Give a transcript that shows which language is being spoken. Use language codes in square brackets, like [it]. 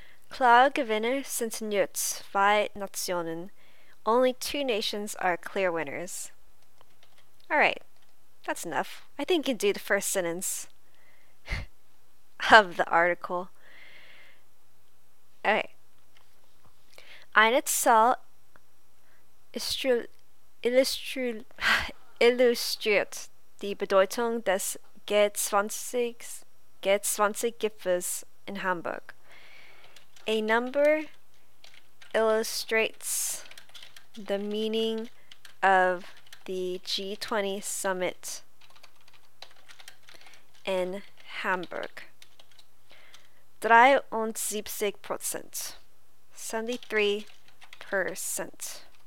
[de] Klar Gewinner sind nur zwei Nationen. [en] Only two nations are clear winners. All right, that's enough. I think you can do the first sentence of the article. Okay. [de] Eine Zahl illustriert die Bedeutung des G20 Gipfels in Hamburg. [en] A number illustrates the meaning of the G20 summit in Hamburg. 73%. 73%.